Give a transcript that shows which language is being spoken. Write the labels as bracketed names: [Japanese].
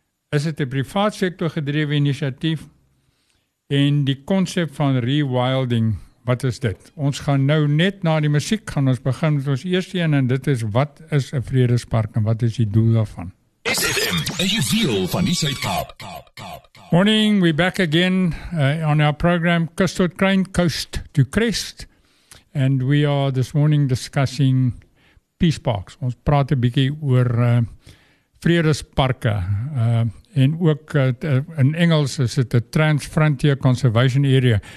[Afrikaans] Is dit 'n privaat sektor gedrewe initiatief? En die konsep van rewilding, wat is dit? Ons gaan nou net na die musiek gaan ons begin met ons eerste een, en dit is wat is 'n vredespark en wat is die doel daarvan? SFM, as you feel van die Suid-Kaap. [English] Morning, we're back again on our program Kus tot Kruin, Coast to Crest, and we are this morning discussing peace parks. [Afrikaans] Ons praat 'n bietjie oor vredesparke en ook in Engels is dit 'n Transfrontier Conservation Area.